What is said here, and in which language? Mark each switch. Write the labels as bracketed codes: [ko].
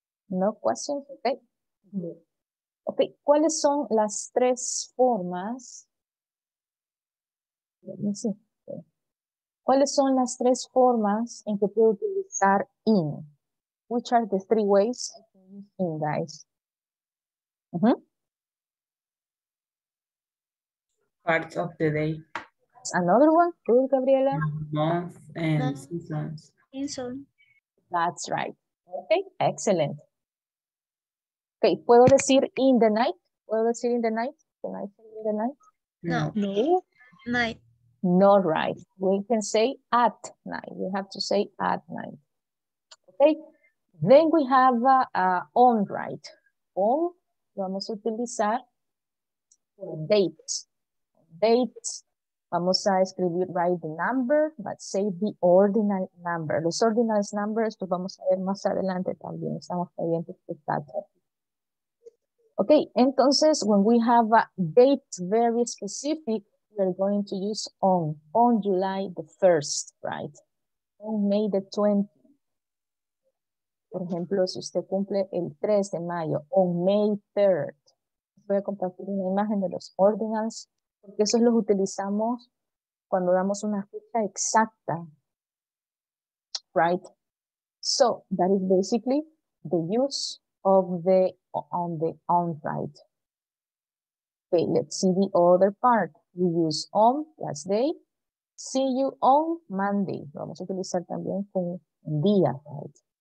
[en] No questions, okay. Okay, [es] ¿cuáles son las tres formas? ¿Cuáles son las tres formas en que puedo utilizar in? [en] Which are the three ways I can use in, guys? Mm-hmm. Parts of the day. Another one, good, Gabriela. Month and seasons. Seasons. That's right. Okay, excellent. Okay, [es] ¿puedo decir [en] in the night? [es] ¿Puedo decir [en] in the night? Can I say in the night? No. No. Night. Not right. We can say at night. We have to say at night. Okay. Then we have on, right? On, [es] vamos a utilizar [en] dates. Dates, [es] vamos a escribir, [en] right, the number, but say the ordinal number. [es] Los [en] ordinal numbers, [es] los vamos a ver más adelante también. Estamos pendientes de [en] that. Okay, [es] entonces, [en] when we have a date very specific, we're going to use on July the 1st, right? On May the 20th. [es] Por ejemplo, si usted cumple el 3 de mayo, on May 3rd. Voy a compartir una imagen de los ordinals, porque esos los utilizamos cuando damos una fecha exacta, right? [en] So, that is basically the use of the on the on, right? Okay, let's see the other part. We use on plus day. See you on Monday. [es] Vamos a utilizar también con día, right?